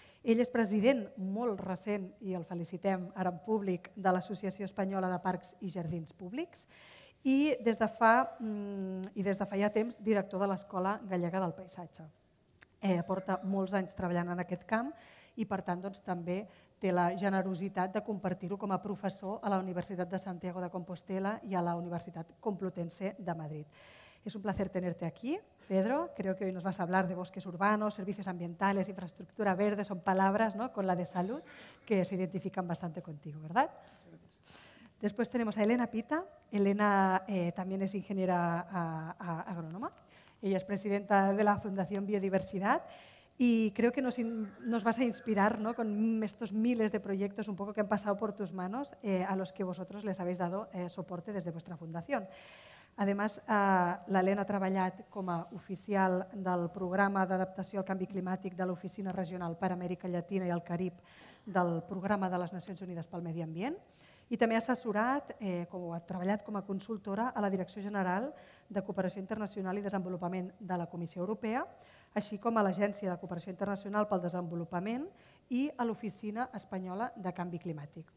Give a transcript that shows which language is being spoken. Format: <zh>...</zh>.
<ca>Ell és president molt recent, i el felicitem ara en públic, de l'Associació Espanyola de Parcs i Jardins Públics i des de fa ja temps director de l'Escola Gallega del Paisatge. Porta molts anys treballant en aquest camp i per tant doncs, també té la generositat de compartir-ho com a professor a la Universitat de Santiago de Compostela i a la Universitat Complutense de Madrid.</ca> <es>És un placer tenerte aquí, Pedro. Creo que hoy nos vas a hablar de bosques urbanos, servicios ambientales, infraestructura verde, son palabras, ¿no?, con la de salud que se identifican bastante contigo, ¿verdad? Después tenemos a Elena Pita. Elena también es ingeniera agrónoma. Ella es presidenta de la Fundación Biodiversidad. Y creo que nos vas a inspirar, ¿no?, con estos miles de proyectos un poco que han pasado por tus manos a los que vosotros les habéis dado soporte desde vuestra fundación. Además,</es> <ca>l'Helena ha treballat com a oficial del programa d'adaptació al canvi climàtic de l'Oficina Regional per Amèrica Llatina i el Carib del programa de les Nacions Unides pel Medi Ambient. I també ha assessorat, ha treballat com a consultora a la Direcció General de Cooperació Internacional i Desenvolupament de la Comissió Europea, així com a l'Agència de Cooperació Internacional pel Desenvolupament i a l'Oficina Espanyola de Canvi Climàtic.</ca>